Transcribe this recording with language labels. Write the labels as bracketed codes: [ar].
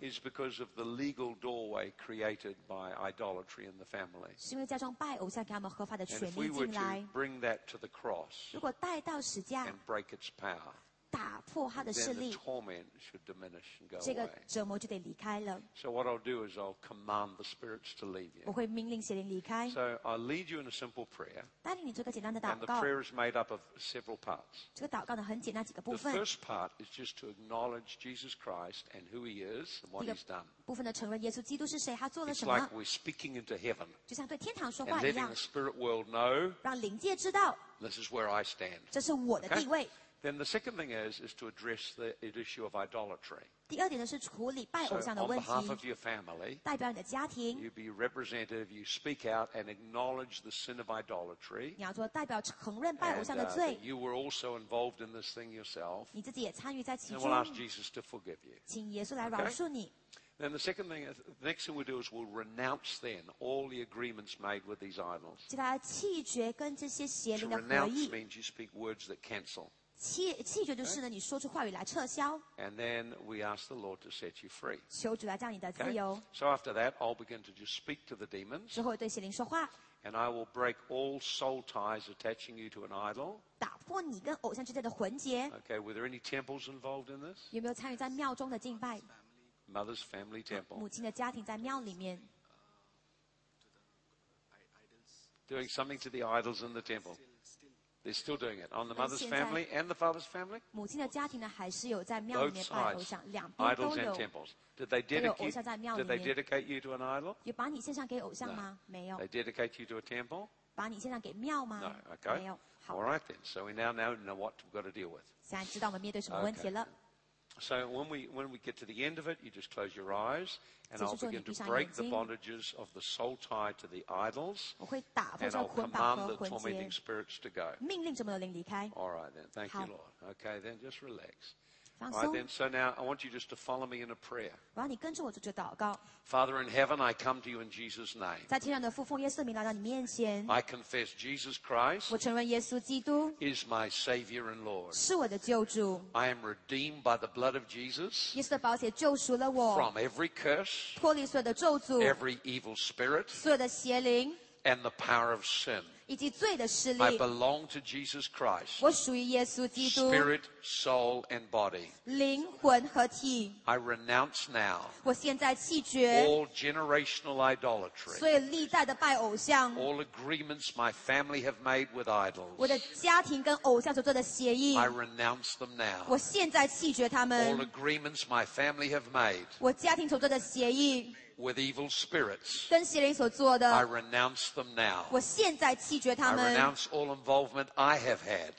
[en] ？Is because of the legal doorway created by idolatry in the family. [zh] 是因为加上拜偶像给他们合法的权利进来。 [en] And if we were to bring that to the cross, [zh] 如果带到十字架 [en] ，and break its power, [zh] 打破它的势力 [en] ，then the torment should diminish and go away. [zh] 这个折磨就得离开了。 [en] So what I'll do is I'll command the spirits to leave you. [zh] 我会命令邪灵离开。 [en] So I'll lead you in a simple prayer. [zh] 带领你做个简单的祷告。 [en] And the prayer is made up of several parts. [zh] 这个祷告呢很简单几个部分。 [en] The first part is just to acknowledge Jesus Christ and who He is and what He's done. [zh] 部分的承认耶稣基督是谁，他做了什么。 [en] It's like we're speaking into heaven. [zh] 就像对天堂说话一 [en] 样。And letting the spirit world know. [zh] 让灵界知道。 [en] This is where I stand. [zh] 这是我的地位。 [en] Then the second thing is to address the issue of idolatry. [zh] 第二点呢是处理拜偶像的问题。 [en] So on behalf of your family, [zh] 代表你的家庭 [en] you be representative, you speak out and acknowledge the sin of idolatry. [zh] 你要做代表承认拜偶像的罪。 [en] And you were also involved in this thing yourself. [zh] 你自己也参与在其中。 [en] And we'll ask Jesus to forgive you. [zh] 请耶稣来饶恕你。 [en] Then the second thing, the next thing we do is we'll renounce then all the agreements made with these idols. [zh] 叫大家弃绝跟这些邪灵的合议。 [en] To renounce means you speak words that cancel. [zh] 弃绝就是呢，你说出话语来撤销。 [en] And then we ask the Lord to set you free. [zh] 求主来降你的自由。 [en] Okay? So after that, I'll begin to just speak to the demons. [zh] 之后对邪灵说话。 [en] And I will break all soul ties attaching you to an idol. [zh] 打破你跟偶像之间的魂结。 [en] Okay, were there any temples involved in this? [zh] 有没有参与在庙中的敬拜 [en] ？Mother's family temple. [zh] 母亲的家庭在庙里面。 [en] Doing something to the idols in the temple. They're still doing it on the mother's family and the father's family. [zh] 母亲的家庭呢，还是有在庙里面拜偶像，两边都有。 [en] Idols and temples. Did they dedicate? [zh] 有偶像在庙里面。 [en] Did they dedicate you to an idol? [zh] 有把你献上给偶像吗？没有。 [en] They dedicate you to a temple? [zh] 把你献上给庙吗？ [en] No. Okay. [zh] 没有。好。 [en] All right then. So we now know what we've got to deal with. [zh] 现在知道我们面对什么问题了。 [en] Okay. So when we get to the end of it, you just close your eyes, and I'll begin to break the bondages of the soul tie to the idols, and I'll command the tormenting spirits to go. [zh] 命令这么多灵离开。 [en] All right then, thank you, Lord. Okay, then just relax. All right then. So now I want you just to follow me in a prayer. [zh] 我要你跟着我做这祷告。 [en] Father in heaven, I come to you in Jesus' name. [zh] 在天上的父，奉耶稣的名来到你面前。 [en] I confess Jesus Christ. [zh] 我承认耶稣基督。 [en] Is my Savior and Lord. [zh] 是我的救主。 [en] I am redeemed by the blood of Jesus. [zh] 耶稣的宝血救赎了我。 [en] From every curse. [zh] 脱离所有的咒诅。 [en] Every evil spirit. [zh] 所有的邪灵。 [en] And the power of sin. [zh] 以及罪的势力。 [en] I belong to Jesus Christ. [zh] 我属于耶稣基督。 [en] Spirit, soul, and body. [zh] 灵魂和体。 [en] I renounce now. [zh] 我现在弃绝。 [en] All generational idolatry. [zh] 所有历代的拜偶像。 [en] All agreements my family have made with idols. [zh] 我的家庭跟偶像所做的协议。 [en] I renounce them now. [zh] 我现在弃绝他们。 [en] All agreements my family have made. [zh] 我家庭所做的协议。 [en] With evil spirits, [zh] 跟邪灵所做的 [en] I renounce them now. [zh] 我现在弃绝他们 [en] I renounce all involvement I have had.